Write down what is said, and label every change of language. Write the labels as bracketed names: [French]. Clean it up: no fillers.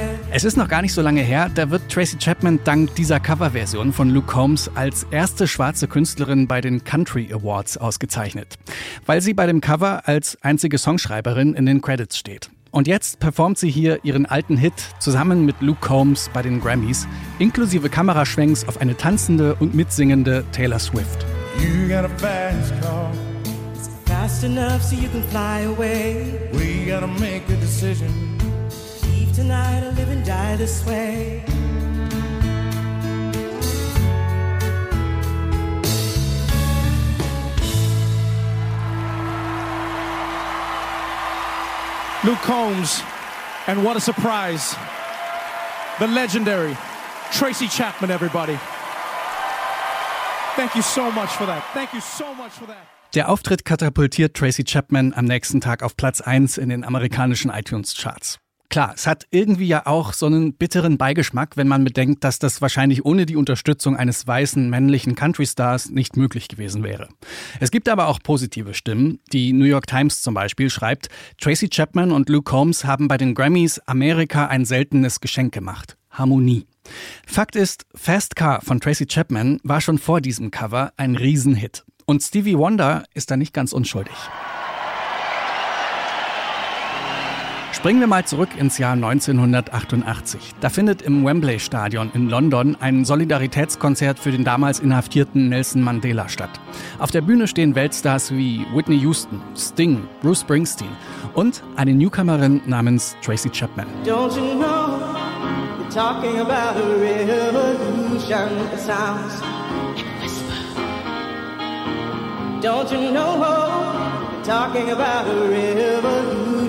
[German] Es ist noch gar nicht so lange her, da wird Tracy Chapman dank dieser Coverversion von Luke Combs als erste schwarze Künstlerin bei den Country Awards ausgezeichnet, weil sie bei dem Cover als einzige Songschreiberin in den Credits steht. Und jetzt performt sie hier ihren alten Hit zusammen mit Luke Combs bei den Grammys, inklusive Kameraschwenks auf eine tanzende und mitsingende Taylor Swift. [English] You got a fast car. It's fast enough so you can fly away. We gotta make a decision. Leave tonight or live and die this way. Luke Combs, and what a surprise, the legendary Tracy Chapman, everybody. Thank you so much for that. Thank you so much for that. [German] Der Auftritt katapultiert Tracy Chapman am nächsten Tag auf Platz 1 in den amerikanischen iTunes-Charts. Klar, es hat irgendwie ja auch so einen bitteren Beigeschmack, wenn man bedenkt, dass das wahrscheinlich ohne die Unterstützung eines weißen, männlichen Country-Stars nicht möglich gewesen wäre. Es gibt aber auch positive Stimmen. Die New York Times zum Beispiel schreibt, Tracy Chapman und Luke Combs haben bei den Grammys Amerika ein seltenes Geschenk gemacht. Harmonie. Fakt ist, Fast Car von Tracy Chapman war schon vor diesem Cover ein Riesenhit. Und Stevie Wonder ist da nicht ganz unschuldig. Springen wir mal zurück ins Jahr 1988. Da findet im Wembley Stadion in London ein Solidaritätskonzert für den damals inhaftierten Nelson Mandela statt. Auf der Bühne stehen Weltstars wie Whitney Houston, Sting, Bruce Springsteen und eine Newcomerin namens Tracy Chapman. [English] Don't you know, you're talking about a revolution that sounds like a whisper. Don't you know, you're talking about a revolution.